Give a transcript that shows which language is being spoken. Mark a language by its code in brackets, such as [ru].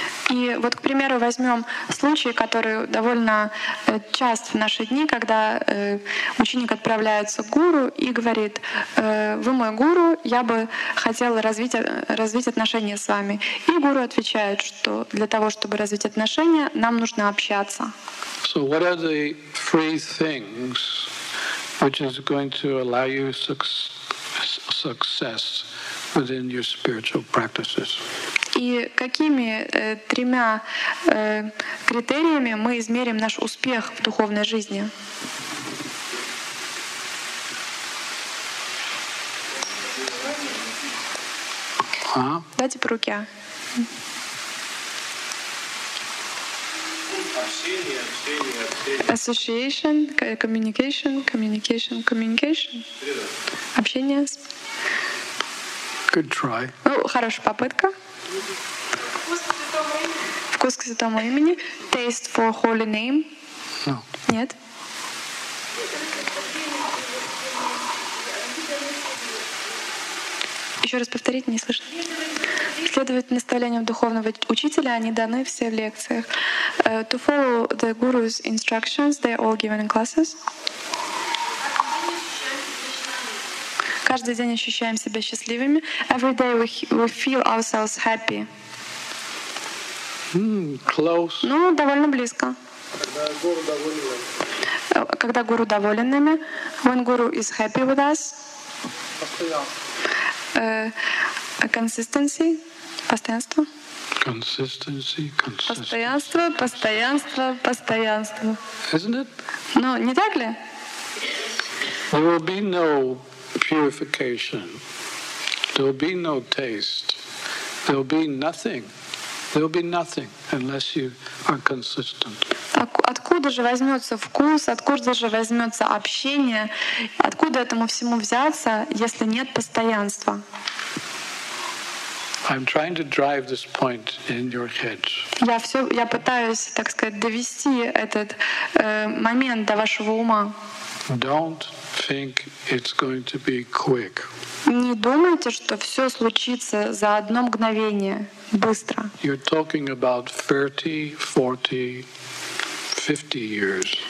[ru] И вот, к примеру, возьмем случай, который довольно част в наши дни, когда ученик отправляется к гуру и говорит, вы мой гуру, я бы хотел развить отношения с вами. И гуру отвечает, что для того, чтобы развить отношения, нам нужно общаться. [en] So what are the three things which is going to allow you success within your spiritual practices. [ru] И какими тремя критериями мы измерим наш успех в духовной жизни? Дайте по руке. [en] Association, communication. [ru] Общение. [en] Good try. [ru] Ну, хорошая попытка. Вкус к святому имени. [en] Taste for holy name. No. [ru] Нет. Еще раз повторить, не слышно. Следовать наставлениям духовного учителя, они даны все в лекциях. [en] To follow the guru's instructions, they are all given in classes. [ru] Каждый день ощущаем себя счастливыми. [en] Every day we feel ourselves happy. Close. [ru] Ну, довольно близко. Когда гуру доволен нами. [en] When guru is happy with us. Consistency. [ru] Постоянство. [en] Consistency. [ru] Постоянство. [en] Isn't it? [ru] Ну, не так ли? [en] There will be no purification. There will be no taste. There will be nothing. There will be nothing unless you are consistent. [ru] Откуда же возьмется вкус? Откуда же возьмется общение? Откуда этому всему взяться, если нет постоянства? [en] I'm trying to drive this point in your heads. [ru] Я пытаюсь, так сказать, довести этот момент до вашего ума. [en] Don't think it's going to be quick. [ru] Не думайте, что все случится за одно мгновение, быстро. [en] You're talking about 30, 40, 50 years.